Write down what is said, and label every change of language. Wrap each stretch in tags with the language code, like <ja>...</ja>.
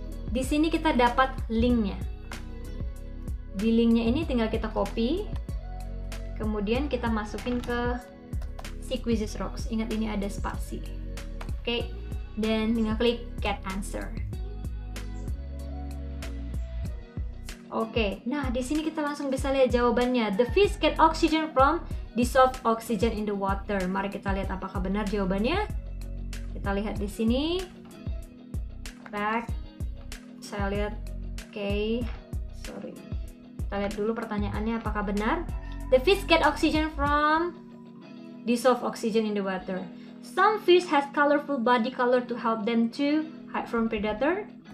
<id>Di sini kita dapat linknya. Di linknya ini tinggal kita copy, kemudian kita masukin ke si Quizzes Rocks. Ingat ini ada spasi. Oke. Dan tinggal klik get answer. Oke, nah di sini kita langsung bisa lihat jawabannya.</id> <en>The fish get oxygen from dissolved oxygen in the water.</en> <id>Mari kita lihat apakah benar jawabannya. Kita lihat di sini. Back. Saya lihat. Okay. Sorry. Kita lihat dulu pertanyaannya apakah benar.</id> <en>The fish get oxygen from dissolved oxygen in the water. Some fish has colorful body color to help them to hide from predator.</en>